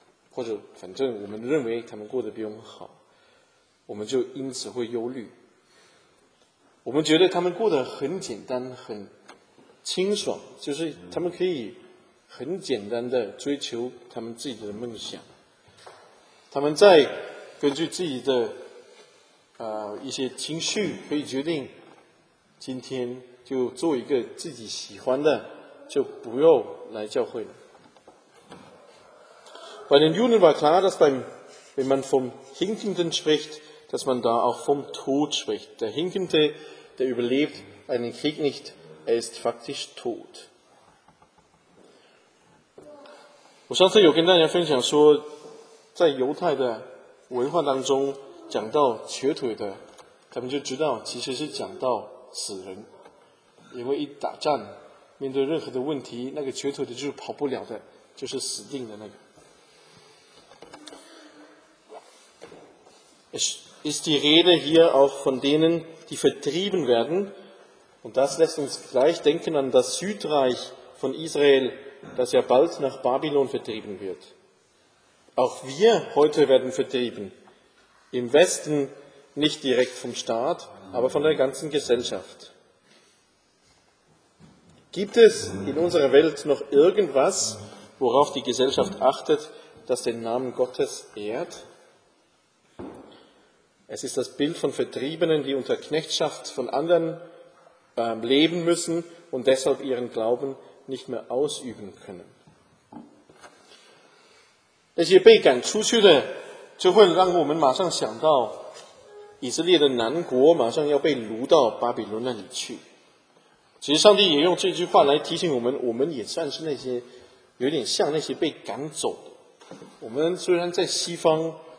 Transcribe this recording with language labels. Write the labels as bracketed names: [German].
[Chinese] 或者反正我们认为他们过得比我们好，我们就因此会忧虑。我们觉得他们过得很简单、很清爽，就是他们可以很简单的追求他们自己的梦想。他们在根据自己的一些情绪可以决定今天就做一个自己喜欢的，就不用来教会了。 [German] Bei den Juden war klar, dass wenn man vom Hinkenden spricht, dass man da auch vom Tod spricht. Der Hinkende, der überlebt einen Krieg nicht, er ist faktisch tot. [Chinese] 我上次有跟大家分享说，在犹太的文化当中讲到瘸腿的，他们就知道其实是讲到死人，因为一打仗，面对任何的问题，那个瘸腿的就是跑不了的，就是死定的那个。 [German] Ist die Rede hier auch von denen, die vertrieben werden? Und das lässt uns gleich denken an das Südreich von Israel, das ja bald nach Babylon vertrieben wird. Auch wir heute werden vertrieben. Im Westen nicht direkt vom Staat, aber von der ganzen Gesellschaft. Gibt es in unserer Welt noch irgendwas, worauf die Gesellschaft achtet, das den Namen Gottes ehrt? Es ist das Bild von Vertriebenen, die unter Knechtschaft von anderen leben müssen und deshalb ihren Glauben nicht mehr ausüben können. [Chinese] 那些被赶出去的，就会让我们马上想到以色列的南国马上要被掳到巴比伦那里去。其实，上帝也用这句话来提醒我们：我们也算是那些有点像那些被赶走的。我们虽然在西方。